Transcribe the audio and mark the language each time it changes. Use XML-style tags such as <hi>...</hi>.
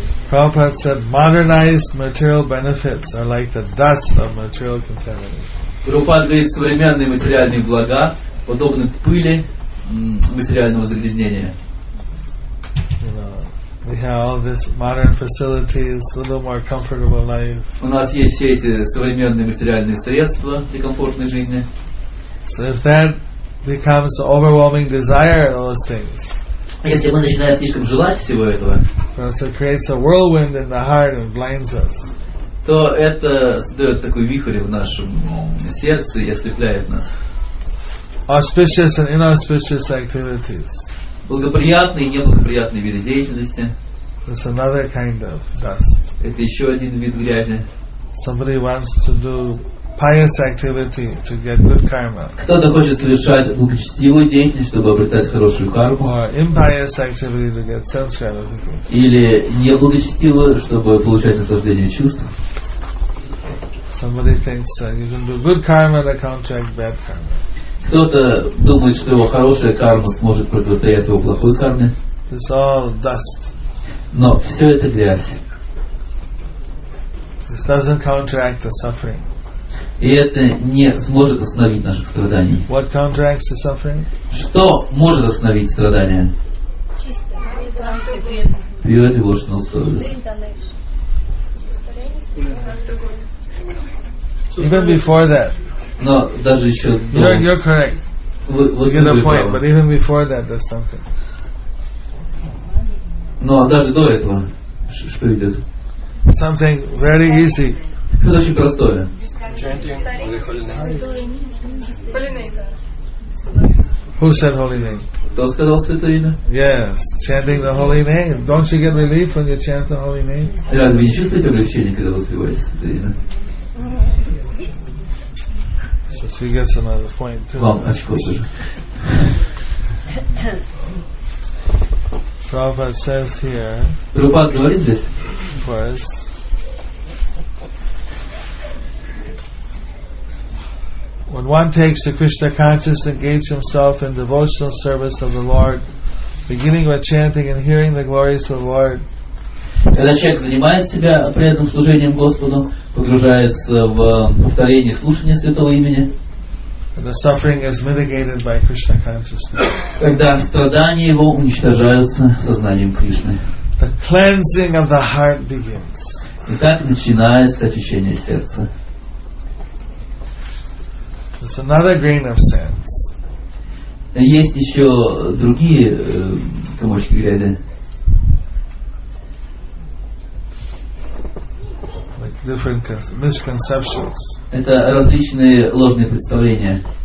<en>Prabhupada said, modernized material benefits are like the dust of material contamination.</en> <ru>Прабхупада говорит, современные материальные блага подобны пыли материального загрязнения.</ru> <en>You know, we have all these modern facilities, a little more comfortable life.</en> <ru>У нас есть все эти современные материальные средства для комфортной жизни.</ru> <en>So if that becomes overwhelming desire, those things.</en> <ru>Если мы начинаем слишком желать всего этого,</ru> <en>so it creates a whirlwind in the heart and blinds us.</en> <ru>То это создает такой вихрь в нашем сердце и ослепляет нас.</ru> <en>Auspicious and inauspicious activities.</en> <ru>Благоприятные и неблагоприятные виды деятельности.</ru> <en>It's another kind of dust.</en> <ru>Это еще один вид грязи.</ru> <en>Somebody wants to do pious activity to get good karma.</en> <ru>Кто-то хочет совершать благочестивую деятельность, чтобы обретать хорошую карму.</ru> <en>Or impious activity to get sense gratification.</en> <ru>Или неблагочестивую, чтобы получать наслаждение чувств.</ru> <en>Somebody thinks that you can do good karma to counteract bad karma.</en> <ru>Кто-то думает, что его хорошая карма сможет противостоять его плохой карме.</ru> <en>It's all dust.</en> <ru>Но все это грязь.</ru> <en>This doesn't counteract the suffering.</en> <ru>И это не сможет остановить наших страданий.</ru> <en>What counteracts the suffering?</en> <ru>Что может остановить страдания?</ru> <en>Pure devotional service. Even before that.</en> <ru>Но даже еще до.</ru> <en>You're correct. We get a point, but even before that, there's something.</en> <ru>Но даже до этого, что идет?</ru> <en>Something very easy.</en> <ru>Это очень простое.</ru> <en>Who said holy name?</en> <ru>Кто сказал святое имя?</ru> <en>Yes, chanting the holy name. Don't you get relief when you chant the holy name?</en> <ru>Разве не чувствуете облегчение, когда вы спеваете святое имя?</ru> <en>So she gets another point too.</en> <ru>Вам очко тоже.</ru> <en>Prabhupada says here.</en> <ru>Prabhupada говорит здесь.</ru> <en>Of course. When one takes the Krishna consciousness, engages himself in devotional service of the Lord, beginning with chanting and hearing the glories of the Lord.</en> <ru>Когда человек занимает себя преданным служением Господу, погружается в повторение слушания святого имени.</ru> <en>And the suffering is mitigated by Krishna consciousness.</en> <ru>Когда страдания его уничтожаются сознанием Кришны.</ru> <en>The cleansing of the heart begins.</en> <ru>И так начинается очищение сердца.</ru> <en>It's another grain of sense.</en> <ru>Есть еще другие комочки грязи.</ru> <en>Like different misconceptions.</en> <ru>Это различные ложные представления.</ru>